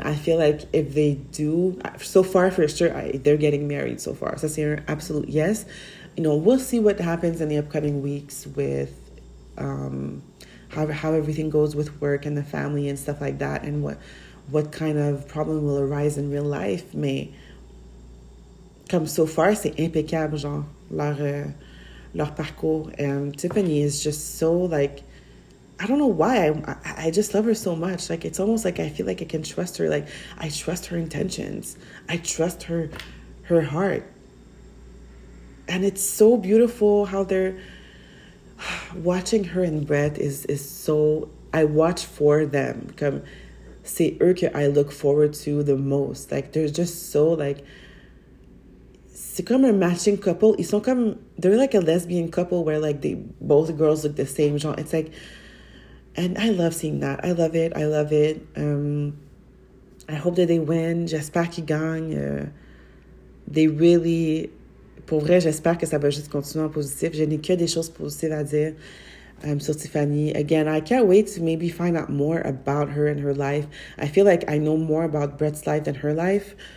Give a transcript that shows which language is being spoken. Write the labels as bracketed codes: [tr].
[en] I feel like if they do, so far for sure, they're getting married so far. So that's an absolute yes. You know, we'll see what happens in the upcoming weeks with how everything goes with work and the family and stuff like that and what kind of problem will arise in real life. [fr] Mais comme so far, c'est impeccable, genre, leur parcours. [en] And Tiffany is just so, like, I don't know why, I just love her so much. Like, it's almost like I feel like I can trust her. Like, I trust her intentions. I trust her heart. And it's so beautiful how they're watching her and Brett is so, I watch for them. [fr] Comme, c'est eux que [en] I look forward to the most. Like, they're just so, like, [fr] c'est comme [en] a matching couple. [fr] Ils sont comme, [en] they're like a lesbian couple where, like, they both girls look the same. Genre, it's like, and I love seeing that. I love it. I love it. I hope that they win. [fr] J'espère qu'ils gagnent. [en] They really... [fr] Pour vrai, j'espère que ça va juste continuer en positif. Je n'ai que des choses positives à dire sur Tiffany. [en] Again, I can't wait to maybe find out more about her and her life. I feel like I know more about Brett's life than her life.